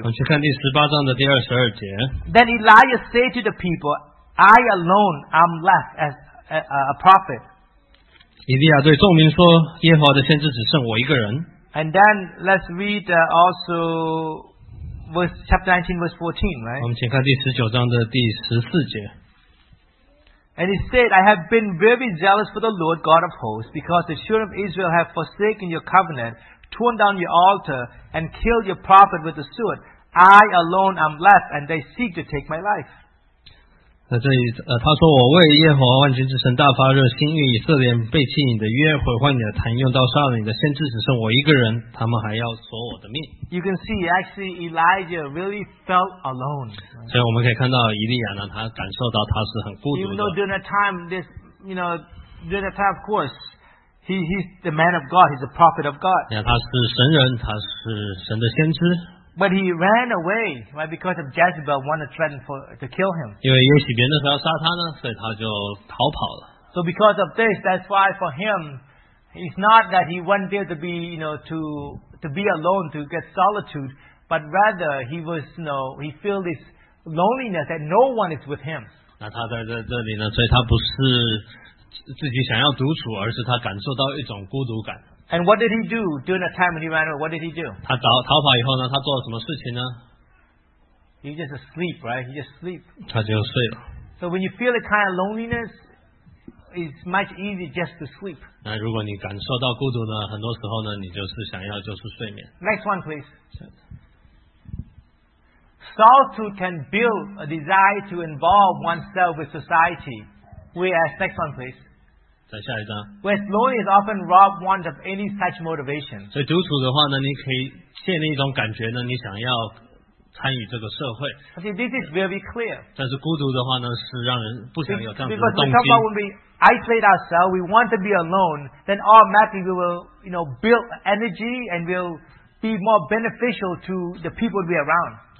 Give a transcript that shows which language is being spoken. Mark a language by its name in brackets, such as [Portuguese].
[Chinese] 我们去看第十八章的第二十二节。 [English] Then Elijah said to the people. I alone am left as a prophet. [Chinese] 以利亚对众民说：“耶和华的先知只剩我一个人。” [English] And then let's read also verse chapter 19 verse 14, right? [Chinese] 我们请看第十九章的第十四节。 [English] And he said, I have been very zealous for the Lord God of hosts, because the children of Israel have forsaken your covenant, torn down your altar, and killed your prophet with the sword. I alone am left, and they seek to take my life. [Chinese] 那这里，他说我为耶和华万军之神大发热心，因以色列背弃你的约，毁坏你的坛，用刀杀了你的先知，只剩我一个人，他们还要索我的命。 [English] You can see actually Elijah really felt alone. [Chinese] 所以我们可以看到以利亚呢，他感受到他是很孤独的。 [English] Even though during that time, this you know, during that time, of course, he's the man of God, he's the prophet of God. [Chinese] 他是神人，他是神的先知。 [English] But he ran away, right? Because of Jezebel wanted to threaten for to kill him. [Chinese] 因为耶洗别那时候要杀他呢，所以他就逃跑了。 [English] So because of this, that's why for him, it's not that he went there to be, you know, to be alone to get solitude, but rather he was, you know, he feel this loneliness that no one is with him. [Chinese] 那他在这里呢，所以他不是自己想要独处，而是他感受到一种孤独感。 [English] And what did he do during the time when he ran away? What did he do? [Chinese] 他逃跑以后呢？他做了什么事情呢？ [English] He just asleep, right? He just sleep. [Chinese] 他就睡了。 [English] So when you feel a kind of loneliness, it's much easier just to sleep. [Chinese] 那如果你感受到孤独呢？很多时候呢，你就是想要就是睡眠。 [English] Next one, please. Solitude can build a desire to involve oneself with society. Whereas, next one, please. [Chinese] 再下一章。 [English] Where loneliness often robs one of any such motivation. [Chinese] 所以独处的话呢，你可以建立一种感觉呢，你想要参与这个社会。 [English] I think this is very clear. [Chinese] 但是孤独的话呢，是让人不想有这样子的动机。 [English] Because when we isolate ourselves, we want to be alone, then automatically we will, you know, build energy and will be more beneficial to the people we are around.